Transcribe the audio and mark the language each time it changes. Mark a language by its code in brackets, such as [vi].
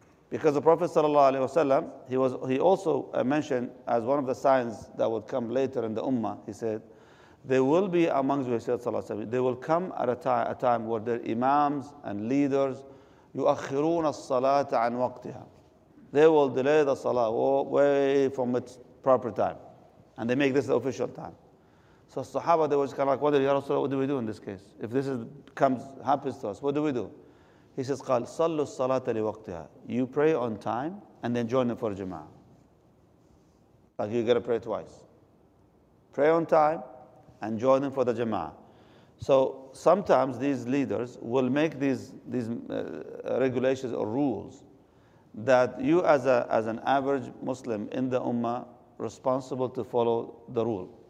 [en] Because the Prophet ﷺ, he also mentioned as one of the signs that would come later in the ummah, he said, there will be amongst you, he said, salah, they will come at a time where their imams and leaders, [ar] يُؤَخِّرُونَ الصَّلَاةَ عَنْ وَقْتِهَا. [en] They will delay the salah way from its proper time. And they make this the official time. So Sahaba, they were just kind of like, what, Ya Rasulullah, what do we do in this case? If this happens to us, what do we do? He says, [ar] قَالْ صَلُّ الصَّلَاةَ لِوَقْتِهَا. [en] You pray on time and then join them for jama'ah. Like you got to pray twice. Pray on time and join them for the jama'ah. So sometimes these leaders will make these regulations or rules that you as an average Muslim in the ummah responsible to follow the rule.